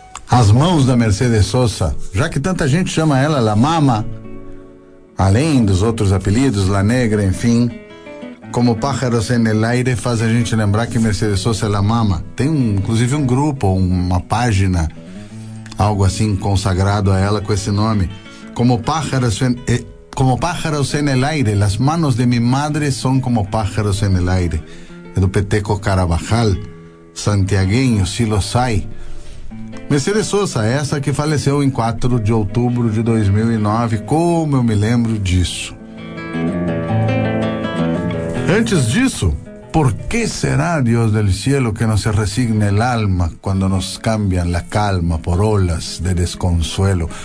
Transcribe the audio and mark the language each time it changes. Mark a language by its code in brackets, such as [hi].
[pt] as mãos da Mercedes Sosa, já que tanta gente chama ela La Mama, além dos outros apelidos, La Negra, enfim, [es] como pájaros en el aire, [pt] faz a gente lembrar que Mercedes Sosa é La Mama. Tem inclusive um grupo, uma página, algo assim consagrado a ela com esse nome. [es] Como pájaros en el aire, las manos de mi madre son como pájaros en el aire. [pt] É do Peteco Carabajal, santiaguinho, si lo sai. Mercedes Sosa, essa que faleceu em 4 de outubro de 2009, como eu me lembro disso. Antes disso, por que será, [es] Deus del cielo, que nos resigne el alma quando nos cambian la calma por olas de desconsuelo?